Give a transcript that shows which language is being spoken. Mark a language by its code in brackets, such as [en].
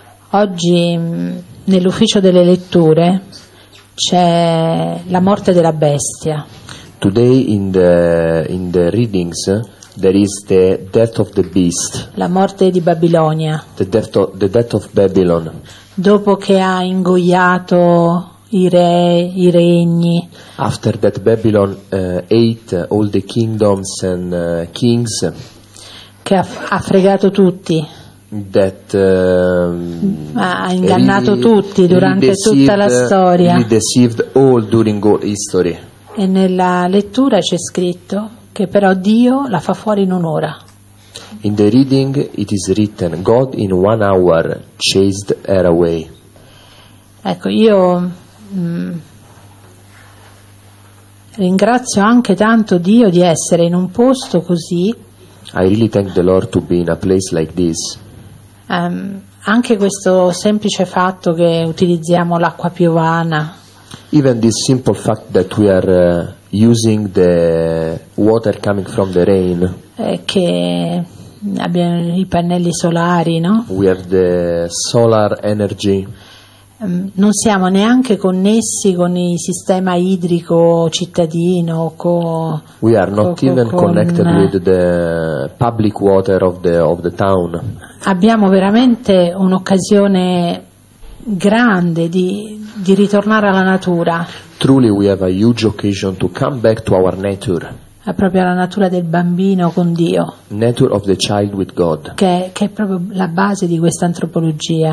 [it] Oggi nell'ufficio delle letture c'è la morte della bestia. [en] Today in the readings there is the death of the beast. [it] La morte di Babilonia. [en] The death of Babylon. [it] Dopo che ha ingoiato i re, i regni. [en] After that Babylon ate all the kingdoms and kings. [it] Che ha fregato tutti. [en] That, [it] ha ingannato tutti durante tutta la storia. [en] He deceived all during all history. [it] E nella lettura c'è scritto che però Dio la fa fuori in un'ora. [en] In the reading it is written God in one hour chased her away. [it] Ecco, io ringrazio anche tanto Dio di essere in un posto così. [en] I really thank the Lord to be in a place like this. [it] Anche questo semplice fatto che utilizziamo l'acqua piovana. [en] Even this simple fact that we are using the water coming from the rain. [it] Che abbiamo i pannelli solari, no? [en] We have the solar energy. [it] Non siamo neanche connessi con il sistema idrico cittadino. [en] We are not even connected with the public water of the town. [it] Abbiamo veramente un'occasione grande di ritornare alla natura. [en] Truly we have a huge occasion to come back to our nature. [it] È proprio la natura del bambino con Dio. [en] Nature of the child with God. [it] Che è proprio la base di questa antropologia.